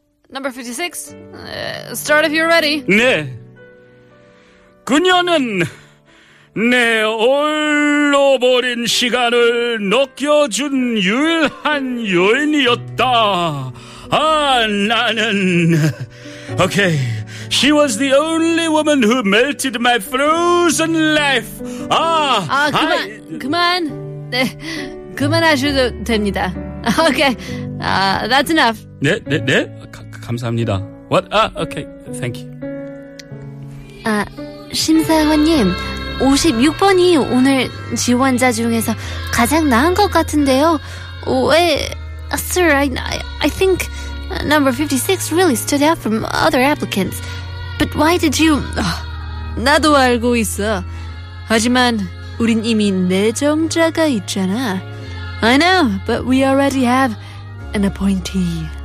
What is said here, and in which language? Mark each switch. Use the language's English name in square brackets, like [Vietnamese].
[English] Number 56. Start if you're ready. [Korean] 네. 그녀는... 내 얼어버린 시간을 느껴준 유일한 여인이었다. 아, 나는... [English] Okay, she was the only woman who melted my frozen life. 아, [Korean] 그만. 네, 그만하셔도 됩니다. [English] Okay, that's enough. [Korean] 네. 감사합니다. [English] What? Okay, thank you. [Korean] 심사원님... 56번이 오늘 지원자 중에서 가장 나은 것 같은데요. 왜, [English] Sir, I think number 56 really stood out from other applicants. But why did you... [Korean] 나도 알고 있어. 하지만 우린 이미 내정자가 있잖아. [English] I know, but we already have an appointee.